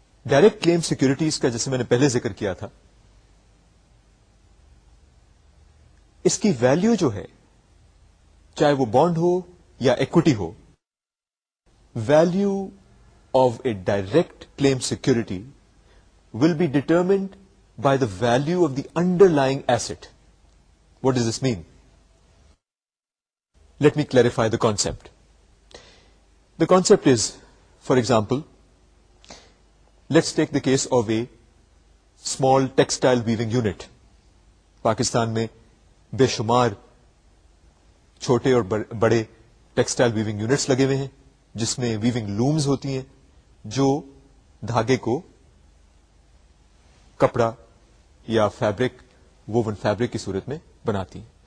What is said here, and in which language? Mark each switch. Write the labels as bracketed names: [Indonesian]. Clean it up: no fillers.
[Urdu] Direct کلیم securities کا جیسے میں نے پہلے ذکر کیا تھا, اس کی ویلیو جو ہے چاہے وہ بانڈ ہو یا equity ہو, [English] Value of a direct claim security will be determined by the value of the underlying asset. What does this mean? Let me clarify the concept. The concept is, for example, let's take the case of a small textile weaving unit. [Urdu] Pakistan میں بے شمار چھوٹے اور بڑے textile weaving units لگے ہوئے ہیں جس میں ویونگ لومز ہوتی ہیں جو دھاگے کو کپڑا یا فیبرک, وون فیبرک کی صورت میں بناتی ہیں.